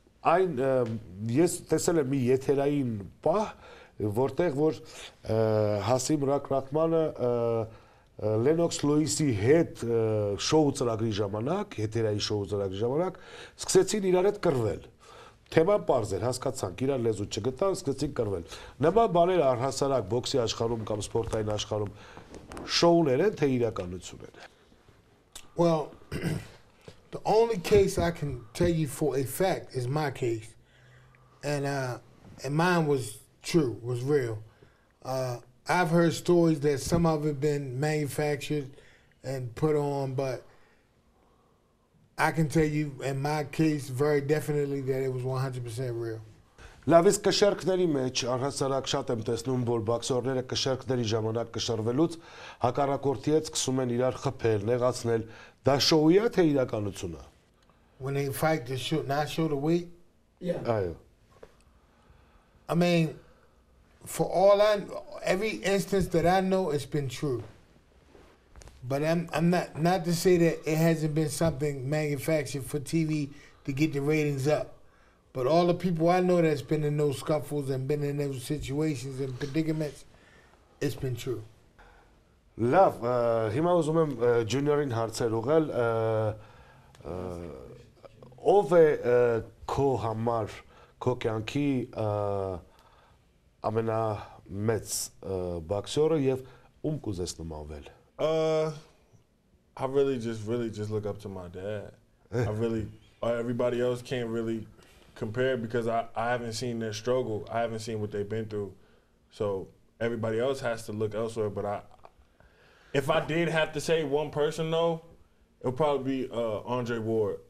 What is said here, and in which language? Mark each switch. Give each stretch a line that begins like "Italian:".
Armenian: այն ես տեսել եմ մի եթերային պահ, որտեղ որ Հասիմ Ռահմանը Լենոքս Լուիսի հետ շոու ծրագրի ժամանակ, հետերայի շոու ծրագրի ժամանակ, սկսեցին իրար հետ կռվել, թեման պարզ էր, հասկացանք, իրար լեզու չգտան, սկսեցին կռվել, նման բաներ առհասարակ բոքսի աշխարհում կամ սպորտային աշխարհում շոուներ են, թե իրականություն են։
English: Well, the only case I can tell you for a fact is my case, and mine was true, was real. I've heard stories that some of it been manufactured and put on, but I can tell you in my case very definitely that it was 100% real.
Armenian: Լավիս կշերքների մեջ առհասարակ շատ եմ տեսնում, որ բաքսորները կշերքների ժամանակ կշրվելուց հակառակորդի հետ սկսում են իրար խփել, նեղացնել, դա շոուի է թե իրականությունը։
English: When they fight to shoot, not show the weight. Yeah.
Armenian: Այո.
English: I mean, for all I know, every instance that I know, it's been true. But I'm not to say that it hasn't been something manufactured for TV to get the ratings up. But all the people I know that's been in those scuffles and been in those situations and predicaments, it's been true.
Armenian: Լավ, հիմա ուզում եմ Ջունիորին հարցեր ուղղել, ով է քո համար, քո կյանքի ամենամեծ բաքսյորը և ում կուզես նմանվել։
English: I really just look up to my dad. Everybody else can't really compare because I haven't seen their struggle. I haven't seen what they've been through. So everybody else has to look elsewhere. But if I did have to say one person though, it would probably be Andre Ward.